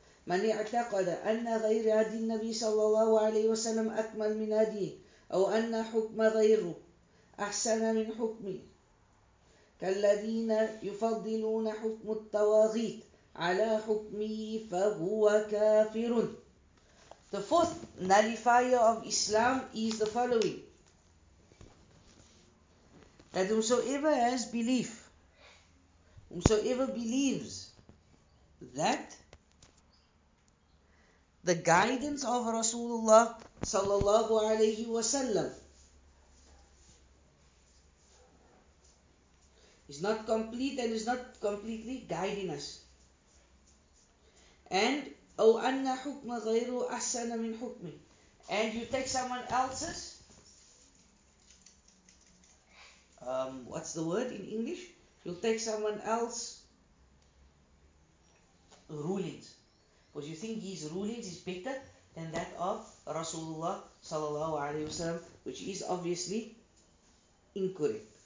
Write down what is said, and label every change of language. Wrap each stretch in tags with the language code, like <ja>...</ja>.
<ar>من اعتقد أن غير هدي النبي صلى الله عليه وسلم أكمل من هديه أو أن حكم غيره أحسن من حكمه كالذين يفضلون حكم الطواغيت على حكمه فهو كافر.</ar> <en>The fourth nullifier of Islam is the following. That whosoever has belief, whosoever believes that the guidance of Rasulullah sallallahu alayhi wa sallam is not complete and is not completely guiding us. And</en> <ar>أو أن حكم غيره أحسن من حكمي.</ar> <en>And you take someone else's what's the word in English? You take someone else's rulings. Because you think his rulings is better than that of Rasulullah sallallahu alayhi wa sallam, which is obviously incorrect.</en>